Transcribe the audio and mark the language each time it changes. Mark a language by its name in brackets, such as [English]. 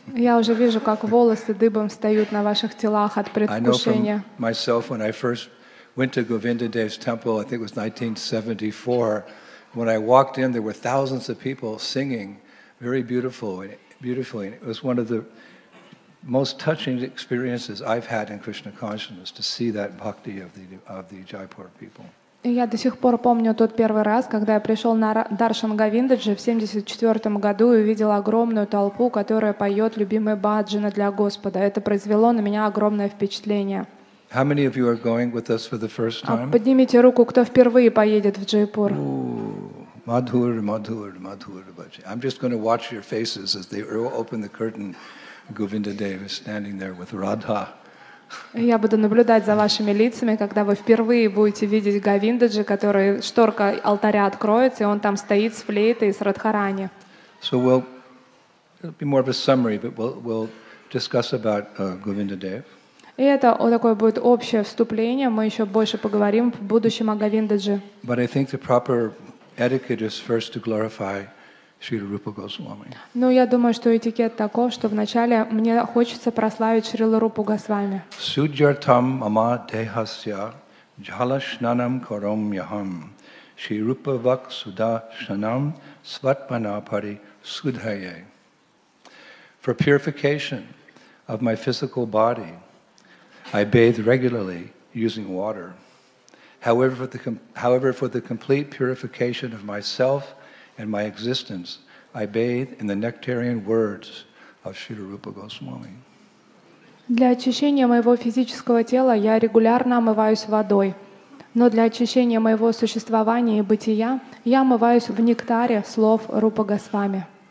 [Russian] Я уже вижу, как волосы дыбом встают на ваших телах от предвкушения. [English] Myself, when I first went to Govindadev's temple, I think it was 1974, when I walked in, there were thousands of people singing, very beautiful. Beautifully, and it was one of the most touching experiences I've had in Krishna consciousness to see that bhakti of the Jaipur people. [Russian] Я до сих пор помню тот первый раз, когда я пришел на даршан Говиндаджи в 1974 году и увидел огромную толпу, которая поет любимые баджаны для Господа. Это произвело на меня огромное впечатление. [English] How many of you are going with us for the first time? [Russian] Поднимите руку, кто впервые поедет в Джайпур. [Sanskrit] Madhur, Madhur, Madhur, Bhaji. [English] I'm just going to watch your faces as they open the curtain. Govindadev is standing there with Radha. [Russian] Я буду наблюдать за вашими лицами, когда вы впервые будете видеть Говиндаджи, который шторка алтаря откроется, и он там стоит с флейтой и с Радхарани. [English] So we'll, it'll be more of a summary, but we'll discuss about Govindadev. [Russian] И это такое будет общее вступление. Мы еще больше поговорим в будущем о Говиндаджи. [English] But I think the proper etiquette is first to glorify Śrīla Rūpa Gosvāmī. [Russian] Ну, я думаю, что этикет таков, что вначале мне хочется прославить Шрилу Рупу Госвами. [Sanskrit] Судьяртам мама дехасья джалашнанам кором яхам Шри Рупа Ваксуда шанам сватпанапари судхайе. [English] For purification of my physical body, I bathe regularly using water. However, for the complete purification of myself and my existence, I bathe in the nectarian words of Śrīla Rūpa Gosvāmī. [Russian] Для очищения моего физического тела я регулярно омываюсь водой, но для очищения моего существования и бытия я омываюсь в нектаре слов Рупа Госвами.